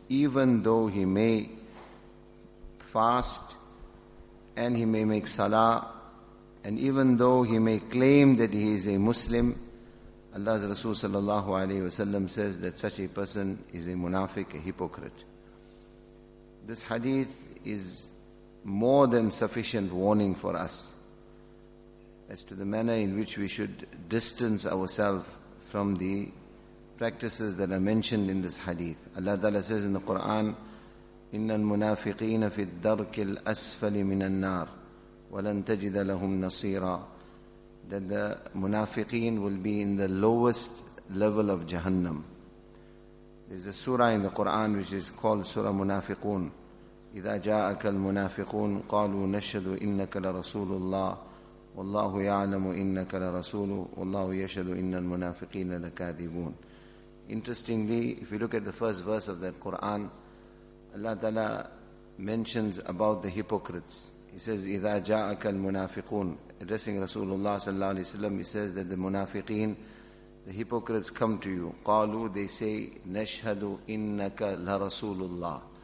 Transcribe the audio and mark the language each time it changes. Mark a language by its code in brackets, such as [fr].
[en] Even though he may fast and he may make salah, and even though he may claim that he is a Muslim, Allah's Rasul sallallahu alaihi wasallam says that such a person is a munafiq, a hypocrite. This hadith is more than sufficient warning for us as to the manner in which we should distance ourselves from the practices that are mentioned in this hadith. Allah Ta'ala says in the Quran, [ar] إِنَّ الْمُنَافِقِينَ فِي الدَّرْكِ الْأَسْفَلِ مِنَ النَّارِ وَلَن تَجِدَ لَهُمْ نَصِيرًا. [en] That the munafiqeen will be in the lowest level of Jahannam. There's a surah in the Quran which is called Surah Munafiqun. [ar] إِذَا جَاءَكَ الْمُنَافِقُونَ قَالُوا نَشْهَدُ إِنَّكَ لَرَسُولُ اللَّهِ وَاللَّهُ يَعْلَمُ إِنَّكَ لَرَسُولُهُ وَاللَّهُ يَشْهَدُ إِنَّ الْمُنَافِقِينَ لَكَاذِبُونَ. [en] Interestingly, if you look at the first verse of that Quran, Allah Ta'ala mentions about the hypocrites. He says, [ar] إِذَا جَاءَكَ الْمُنَافِقُونَ, [en] addressing Rasulullah sallallahu alayhi wa sallam, he says that the munafiqeen, the hypocrites, come to you. [ar] قَالُوا, [en] they say, [ar] نَشْهَدُ إِنَّكَ لَرَسُولُ اللَّهِ.